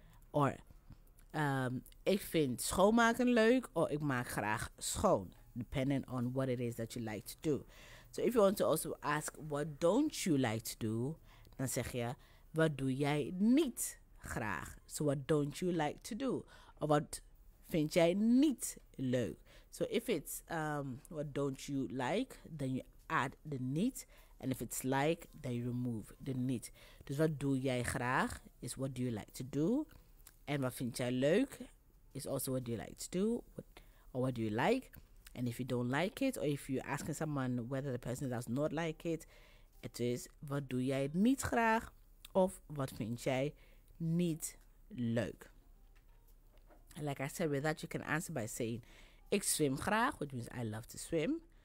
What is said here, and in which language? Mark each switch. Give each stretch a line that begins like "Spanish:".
Dutch: Or, ik vind schoonmaken leuk. Or, ik maak graag schoon.
English: Depending on what it is that you like to do. So if you want to also ask, what don't you like to do?
Dutch: Dan zeg je, wat doe jij niet graag?
English: So what don't you like to do? Or
Dutch: wat vind jij niet leuk?
English: So if it's what don't you like, then you add the niet. And if it's like, then you remove the niet.
Dutch: Dus wat doe jij graag
English: is what do you like to do.
Dutch: En wat vind jij leuk
English: is also what do you like to do. Or what do you like? And if you don't like it, or if you're asking someone whether the person does not like it, it is,
Dutch: wat doe jij niet graag? Of, wat vind jij niet leuk?
English: And like I said, with that, you can answer by saying,
Dutch: ik zwem graag,
English: which means I love to swim.